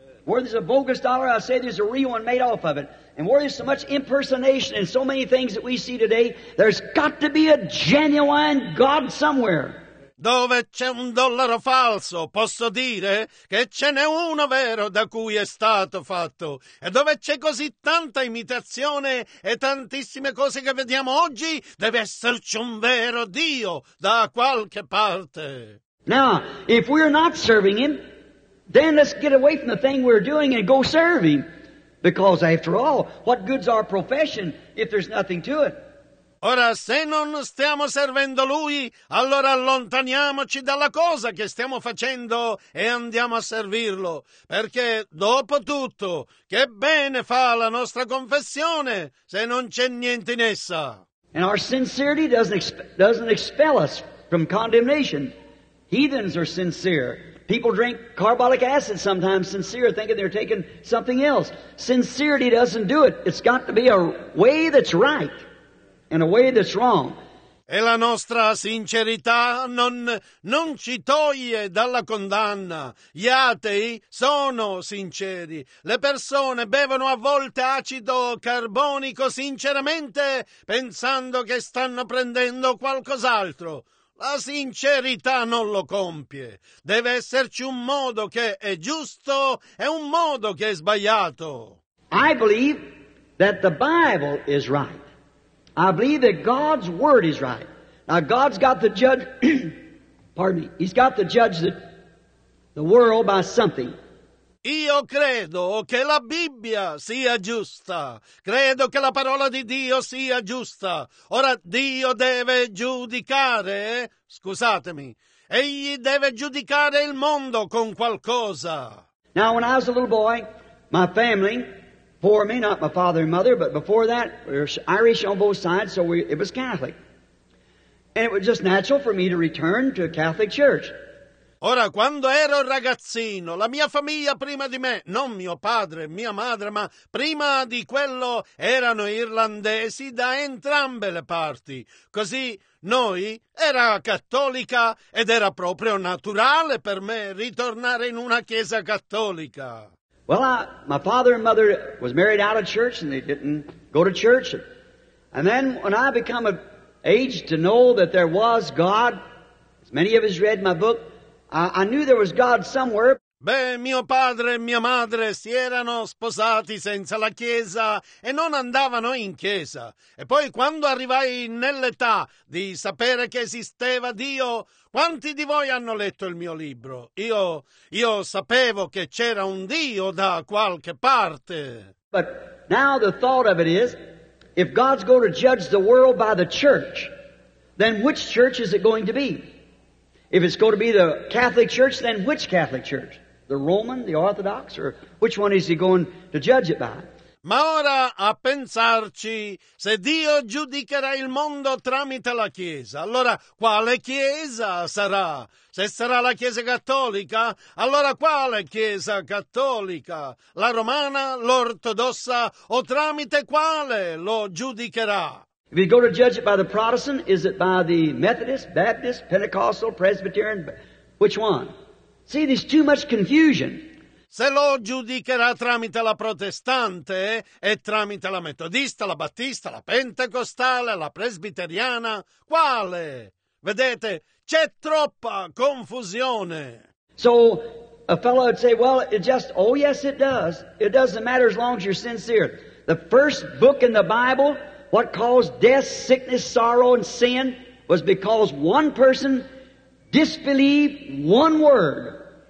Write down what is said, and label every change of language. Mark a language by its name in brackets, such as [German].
[English] Where there's a bogus dollar, I say there's a real one made off of it. And where there's so much impersonation and so many things that we see today, there's got to be a genuine God somewhere. [Italian] Dove c'è un dollaro falso, posso dire che ce n'è uno vero da cui è stato fatto. E dove c'è così tanta imitazione e tantissime cose che vediamo oggi, deve esserci un vero Dio da qualche parte. [English] Now, if we're not serving Him, then let's get away from the thing we're doing and go serve Him. Because after all, what good's our profession if there's nothing to it? [Italian] Ora, se non stiamo servendo Lui, allora allontaniamoci dalla cosa che stiamo facendo e andiamo a servirlo. Perché, dopo tutto, che bene fa la nostra confessione se non c'è niente in essa? [English] And our sincerity doesn't expel us from condemnation. Heathens are sincere. People drink carbolic acid sometimes sincere, thinking they're taking something else. Sincerity doesn't do it. It's got to be a way that's right and a way that's wrong. [Italian] E la nostra sincerità non ci toglie dalla condanna. Gli atei sono sinceri. Le persone bevono a volte acido carbonico sinceramente, pensando che stanno prendendo qualcos'altro. La sincerità non lo compie. Deve esserci un modo che è giusto e un modo che è sbagliato. [English] I believe that the Bible is right. I believe that God's Word is right. Now God's got to judge, pardon me, He's got to judge the world by something. [Italian] Io credo che la Bibbia sia giusta. Credo che la parola di Dio sia giusta. Ora Dio deve giudicare, scusatemi, Egli deve giudicare il mondo con qualcosa. [English] Now when I was a little boy, my family, before me, not my father and mother, but before that, we were Irish on both sides, so it was Catholic. And it was just natural for me to return to a Catholic church. [Italian] Ora, quando ero ragazzino, la mia famiglia prima di me, non mio padre, mia madre, ma prima di quello, erano irlandesi da entrambe le parti. Così, noi, era cattolica ed era proprio naturale per me ritornare in una chiesa cattolica. [English] Well, my father and mother was married out of church and they didn't go to church. And then, when I became of age to know that there was God, as many of us read my book, I knew there was God somewhere. [Italian] Beh, mio padre e mia madre si erano sposati senza la chiesa e non andavano in chiesa. E poi quando arrivai nell'età di sapere che esisteva Dio, quanti di voi hanno letto il mio libro? Io sapevo che c'era un Dio da qualche parte. [English] But now the thought of it is, if God's going to judge the world by the church, then which church is it going to be? If it's going to be the Catholic Church, then which Catholic Church? The Roman, the Orthodox, or which one is he going to judge it by? [Italian] Ma ora a pensarci, se Dio giudicherà il mondo tramite la Chiesa, allora quale Chiesa sarà? Se sarà la Chiesa Cattolica, allora quale Chiesa Cattolica? La Romana, l'Ortodossa, o tramite quale lo giudicherà? [English] If you go to judge it by the Protestant, is it by the Methodist, Baptist, Pentecostal, Presbyterian? Which one? See, there's too much confusion. [Italian] Se lo giudicherà tramite la protestante e tramite la metodista, la battista, la pentecostale, la presbiteriana, quale? Vedete, c'è troppa confusione. [English] So a fellow would say, well, it just, oh yes it does. It doesn't matter as long as you're sincere. The first book in the Bible, what caused death, sickness, sorrow, and sin was because one person disbelieved one word.